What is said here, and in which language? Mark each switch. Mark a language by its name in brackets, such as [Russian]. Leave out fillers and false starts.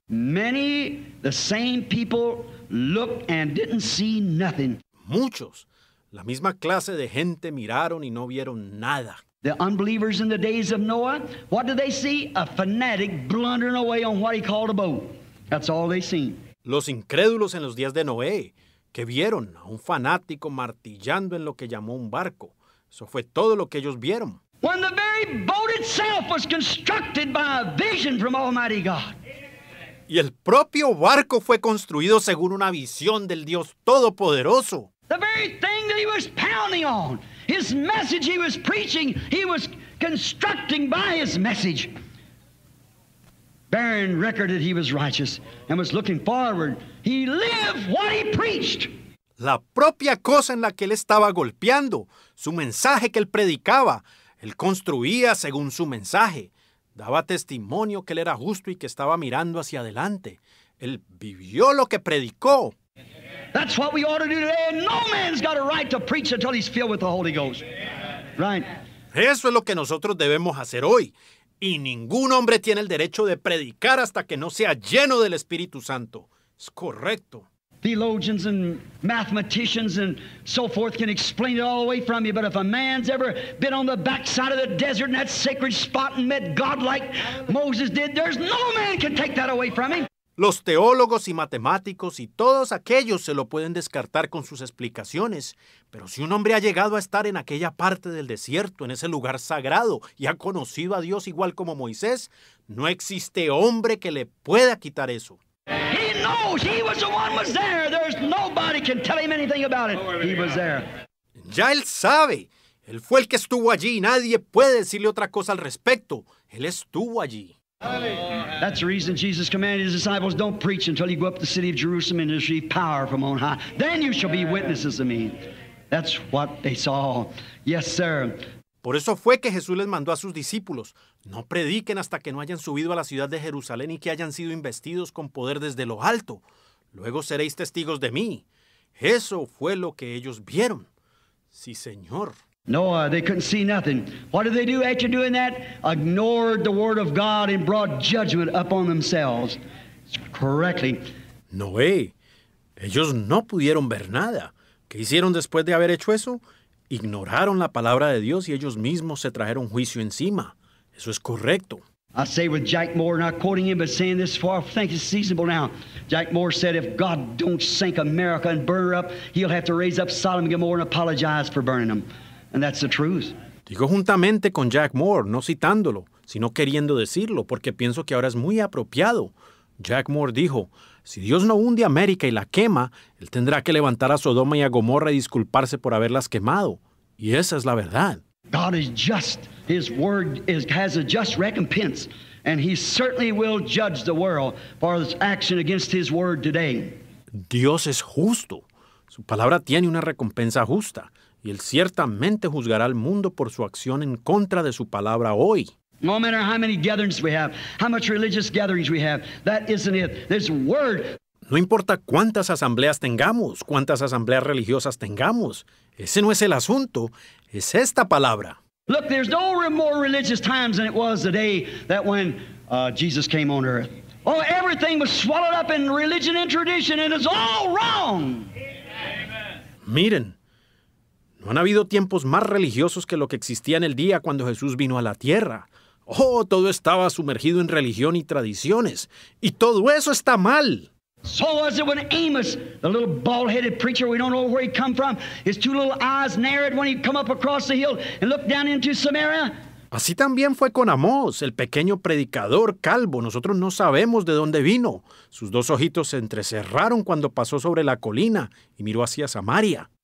[English] Many the same people looked and didn't see nothing. [Spanish] Muchos, la misma clase de gente miraron y no vieron nada. [English] The unbelievers in the days of Noah, what did they see? A fanatic blundering away on what he called a boat. That's all they seen. [Spanish] Los incrédulos en los días de Noé, que vieron a un fanático martillando en lo que llamó un barco. Eso fue todo lo que ellos vieron. [English] When the very boat itself was constructed by a vision from Almighty God. [Spanish] Y el propio barco fue construido según una visión del Dios Todopoderoso. [English] The very thing that he was pounding on. His message he was preaching, he was constructing by his message. Bearing record that he was righteous and was looking forward. He lived what he preached. [Spanish] La propia cosa en la que él estaba golpeando, su mensaje que él predicaba, él construía según su mensaje. Daba testimonio que él era justo y que estaba mirando hacia adelante. Él vivió lo que predicó. [English] That's what we ought to do today. No man's got a right to preach until he's filled with the Holy Ghost. Right? [Spanish] Eso es lo que nosotros debemos hacer hoy. Y ningún hombre tiene el derecho de predicar hasta que no sea lleno del Espíritu Santo. Es correcto. [English] Theologians and mathematicians and so forth can explain it all away from you. But if a man's ever been on the backside of the desert in that sacred spot and met God like Moses did, there's no man can take that away from him. [Spanish] Los teólogos y matemáticos y todos aquellos se lo pueden descartar con sus explicaciones, pero si un hombre ha llegado a estar en aquella parte del desierto, en ese lugar sagrado, y ha conocido a Dios igual como Moisés, no existe hombre que le pueda quitar eso. [English] He knows he was the one was there. There's nobody can tell him anything about it. He was there. [Spanish] Ya él sabe. Él fue el que estuvo allí. Nadie puede decirle otra cosa al respecto. Él estuvo allí. [English] That's the reason Jesus commanded his disciples, don't preach until you go up to the city of Jerusalem and receive power from on high. Then you shall be witnesses of me. That's what they saw. Yes, sir. [Spanish] Por eso fue que Jesús les mandó a sus discípulos, no prediquen hasta que no hayan subido a la ciudad de Jerusalén y que hayan sido investidos con poder desde lo alto. Luego seréis testigos de mí. Eso fue lo que ellos vieron. Sí, Señor. [English] Noah, they couldn't see nothing. What did they do after doing that? Ignored the word of God and brought judgment upon themselves. Correctly. [Spanish] Noé, ellos no pudieron ver nada. ¿Qué hicieron después de haber hecho eso? Ignoraron la palabra de Dios y ellos mismos se trajeron juicio encima. Eso es correcto. [English] I say with Jack Moore, not quoting him, but saying this far, I think it's seasonable now. Jack Moore said, if God don't sink America and burn her up, he'll have to raise up Sodom and Gomorrah and apologize for burning them. And that's the truth. [Spanish] Digo juntamente con Jack Moore, no citándolo, sino queriendo decirlo, porque pienso que ahora es muy apropiado. Jack Moore dijo, si Dios no hunde América y la quema, Él tendrá que levantar a Sodoma y a Gomorra y disculparse por haberlas quemado. Y esa es la verdad. [English] God is just. His word is, has a just recompense. And He certainly will judge the world for its action against His word today. [Spanish] Dios es justo. Su palabra tiene una recompensa justa. Y Él ciertamente juzgará al mundo por su acción en contra de su palabra hoy. [English] No matter how many gatherings we have, how much religious gatherings we have, that isn't it. This word. [Spanish] No importa cuántas asambleas tengamos, cuántas asambleas religiosas tengamos, ese no es el asunto, es esta palabra. [English] Look, there's no more religious times than it was the day that when Jesus came on earth. Oh, everything was swallowed up in religion and tradition, and it's all wrong. Amen. [Spanish] Miren, no han habido tiempos más religiosos que lo que existía en el día cuando Jesús vino a la tierra. Oh, todo estaba sumergido en religión y tradiciones. Y todo eso está mal. [English] So was it when Amos, the little bald-headed preacher, we don't know where he come from, his two little eyes narrowed when he come up across the hill and looked down into Samaria. [Spanish] Así también fue con Amós, el pequeño predicador calvo. Nosotros no sabemos de dónde vino. Sus dos ojitos se entrecerraron cuando pasó sobre la colina y miró hacia Samaria.